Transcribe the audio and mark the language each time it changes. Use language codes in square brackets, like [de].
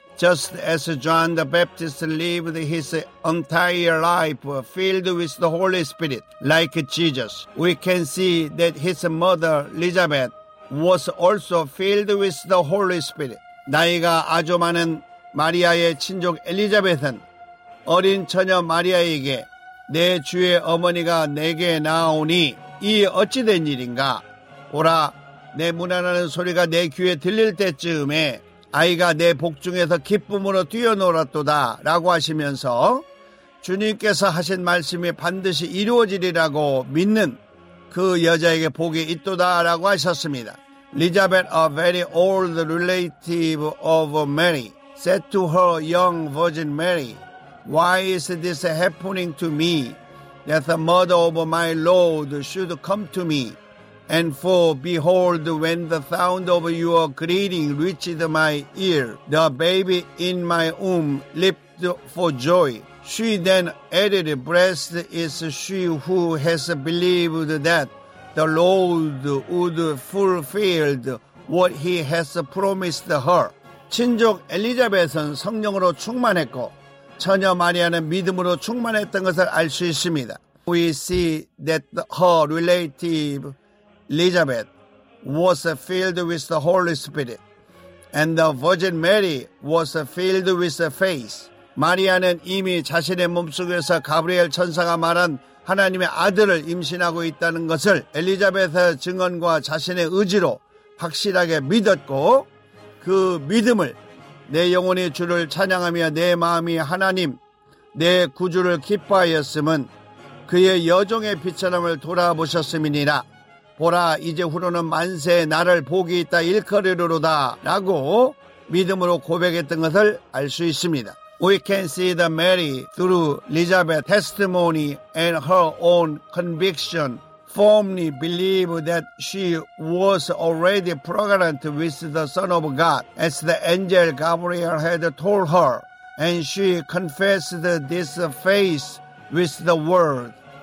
[en] Just as John the Baptist lived his entire life filled with the Holy Spirit, like Jesus, we can see that his mother, Elizabeth, was also filled with the Holy Spirit. [ko] 나이가 아주 많은 마리아의 친족 엘리자벳은 어린 처녀 마리아에게 내 주의 어머니가 내게 나오니 이 어찌 된 일인가? 보라, 내 문안하는 소리가 내 귀에 들릴 때쯤에 아이가 내 복중에서 기쁨으로 뛰어놀았도다 라고 하시면서 주님께서 하신 말씀이 반드시 이루어지리라고 믿는 그 여자에게 복이 있도다 라고 하셨습니다. [en] Elizabeth, a very old relative of Mary, said to her young virgin Mary, "Why is this happening to me, that the mother of my Lord should come to me? And for, behold, when the sound of your greeting reached my ear, the baby in my womb leaped for joy." She then added, "Blessed is she who has believed that the Lord would fulfill what he has promised her." [ko] 친족 엘리자벳은 성령으로 충만했고 처녀 마리아는 믿음으로 충만했던 것을 알 수 있습니다. [en] We see that her relative Elizabeth was filled with the Holy Spirit, and the Virgin Mary was filled with faith. [ko] 마리아는 이미 자신의 몸속에서 가브리엘 천사가 말한 하나님의 아들을 임신하고 있다는 것을 엘리자벳의 증언과 자신의 의지로 확실하게 믿었고 그 믿음을 내 영혼이 주를 찬양하며 내 마음이 하나님 내 구주를 기뻐하였음은 그의 여종의 비천함을 돌아보셨음이니라. 보라 이제후로는 만세에 나를 복이 있다 일컬으로다 라고 믿음으로 고백했던 것을 알 수 있습니다. [en] We can see the Mary through Elizabeth's testimony and her own conviction firmly believe that she was already pregnant with the Son of God as the angel Gabriel had told her and she confessed this faith with the word